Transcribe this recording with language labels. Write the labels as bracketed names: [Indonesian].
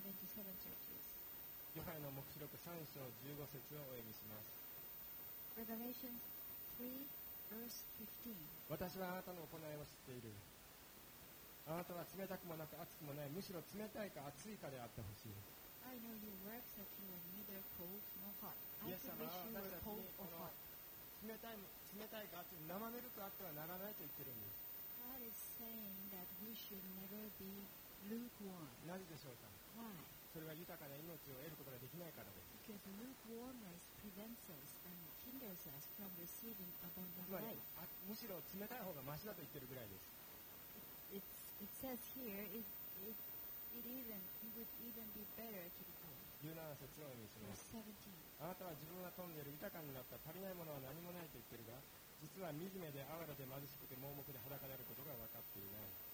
[Japanese] ヨハネの黙示録3章15節をお読みします。 [English] Revelation 3, verse 15. [Japanese] 私はあなたの行いを知っている。あなたは冷たくもなく熱くもない、むしろ冷たいか熱いかであってほしい。 [English] I know your works that you are neither cold nor hot. I wish you were cold or hot. [Japanese] 冷たいか熱い、生ぬるくあってはならないと言ってるんです。 [English] God is saying that we should never be lukewarm. [Japanese] なぜでしょうか。 [English] Why? [Japanese] それは豊かな命を得ることができないからです。 [English] Because lukewarmness prevents us and hinders us from receiving abundant life. [Japanese] むしろ冷たい方がマシだと言ってるぐらいです。 [English] It says here it would even be better to be cold. [Japanese] 17節を読みします。あなたは自分は富んでいる、豊かになった、足りないものは何もないと言っているが、実は惨めで哀れで貧しくて盲目で裸であることが分かっていない。